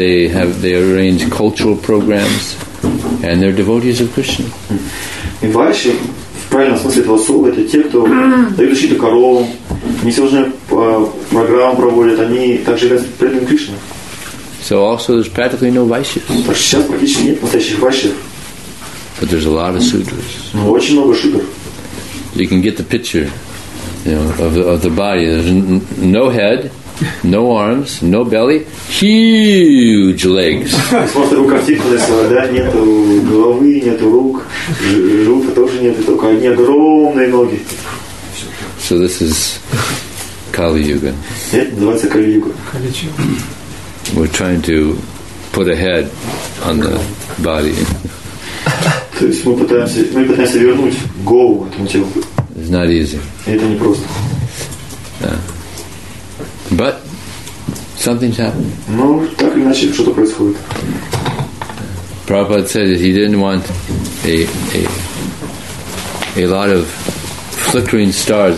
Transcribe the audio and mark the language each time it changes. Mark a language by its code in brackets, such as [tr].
[en] They arrange cultural programs, and they're devotees of Krishna. [ru] И вайши, в правильном смысле этого слова, это те, кто дают защиту коровам, несложные программы проводят, они также являются преданными Кришне. [en] So also there's practically no vaishyas. [ru] Сейчас практически нет настоящих вайши. [en] But there's a lot of sutras. [ru] Очень много шутр. [en] You can get the picture, of the body. There's no head, no arms, no belly, huge legs. [ru] Просто рука сильная, да? Нет головы, нет рук, рук тоже нет, только одни огромные ноги. [en] So this is Kali Yuga. [ru] Называется Kali Yuga. [en] We're trying to put a head on the body. [ru] То есть мы пытаемся вернуть голову этому телу. [en] It's not easy. [ru] Это не просто. [en] But something's happened. [ru] Но так или иначе что-то происходит. [en] Prabhupada said that he didn't want a lot of flickering stars.